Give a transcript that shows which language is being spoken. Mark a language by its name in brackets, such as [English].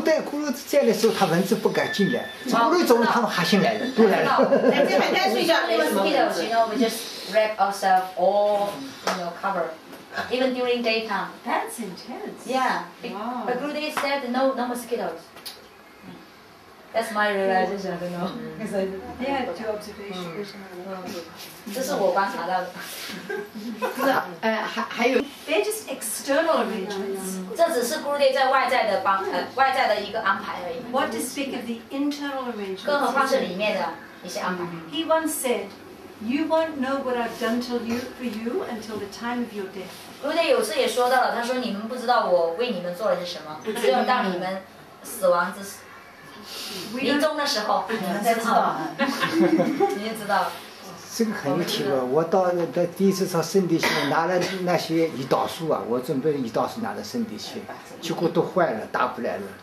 [Chinese] 对，骷髅在的时候，它蚊子不敢进来。骷髅走，它们还进来了，都来了。在白天睡觉，没有什么蚊子。 [English] You know, we just wrap ourselves all, you know, cover, even during daytime. That's intense. Yeah. But Guru Dev said no mosquitoes. That's my realization. I don't know. Yeah, two observations. [Chinese] 这是我观察到的。不是，还有。 [English] They're just external arrangements. [Chinese] 这只是 Guru Dev 在外在的帮外在的一个安排而已。 [English] What to speak of the internal arrangements? [Chinese] 更何况是里面的一些安排。 [English] He once said, "You won't know what I've done till you for you until the time of your death." [Chinese] Guru Dev 有次也说到了，他说你们不知道我为你们做了些什么，只有当你们死亡之时。临终的时候，你们才知道，你就知道。这个很有体会。我到第一次到圣地去，拿了那些胰岛素啊，我准备胰岛素拿到圣地去，结果都坏了，打不来了。